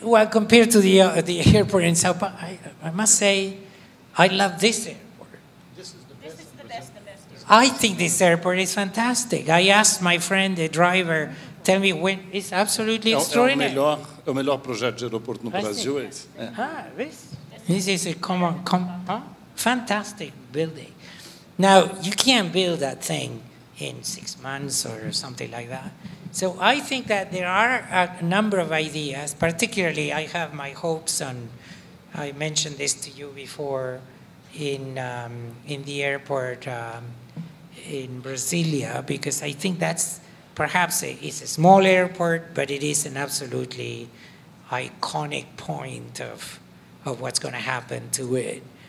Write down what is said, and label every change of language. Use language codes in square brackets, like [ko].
[en] compared to the airport in Sao Paulo, I must say, I love this airport. This is the best. I think this airport is fantastic. I asked my friend, the driver, tell me when. It's absolutely extraordinary. [pt] É o melhor projeto de aeroporto no Brasil, é esse? [en] This is a fantastic building. Now, you can't build that thing in 6 months or something like that. So I think that there are a number of ideas, particularly I have my hopes on, I mentioned this to you before, in the airport in Brasilia, because I think that's perhaps it's a small airport, but it is an absolutely iconic point of what's going to happen to it.